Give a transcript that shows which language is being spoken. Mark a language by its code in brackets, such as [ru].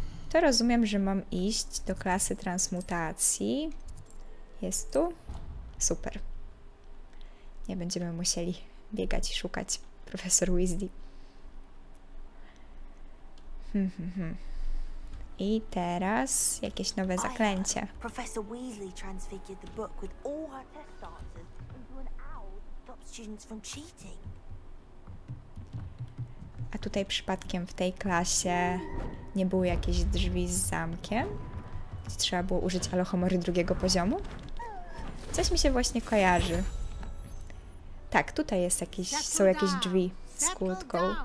[pl] To rozumiem, że mam iść do klasy transmutacji. Jest tu? Super. Nie będziemy musieli biegać i szukać profesor Weasley. I teraz jakieś nowe zaklęcie. [en] Profesor Weasley transfigured the book with all her test answers into an owl to stop students from cheating. [pl] A tutaj przypadkiem w tej klasie nie były jakieś drzwi z zamkiem, gdzie trzeba było użyć alohomory drugiego poziomu? Coś mi się właśnie kojarzy. Tak, tutaj jest jakieś, są jakieś drzwi z kłódką.